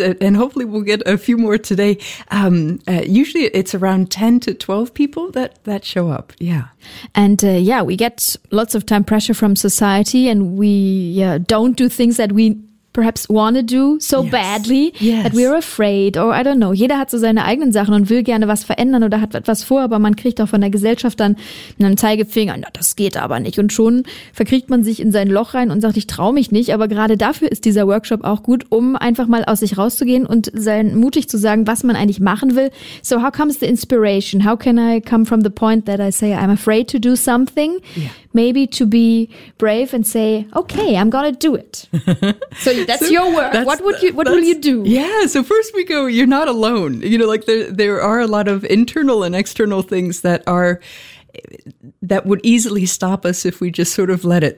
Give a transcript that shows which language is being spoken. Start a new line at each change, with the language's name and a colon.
English: And hopefully we'll get a few more today. Usually it's around 10 to 12 people that show up. Yeah. And we get lots of time pressure from society and we don't do things that we perhaps want to do so yes. badly yes. that we're afraid or I don't know.
German: Jeder hat so seine eigenen Sachen und will gerne was verändern oder hat etwas vor, aber man kriegt auch von der Gesellschaft dann mit einem Zeigefinger, na, das geht aber nicht. Und schon verkriegt man sich in sein Loch rein und sagt, ich trau mich nicht. Aber gerade dafür ist dieser Workshop auch gut, um einfach mal aus sich rauszugehen und sein mutig zu sagen, was man eigentlich machen will.
English: So how comes the inspiration? How can I come from the point that I say I'm afraid to do something? Yeah. Maybe to be brave and say, okay, I'm gonna do it. So that's so your work. That's what will you do? Yeah, so first we go, you're not alone. You know, like there are a lot of internal and external things that would easily stop us if we just sort of let it.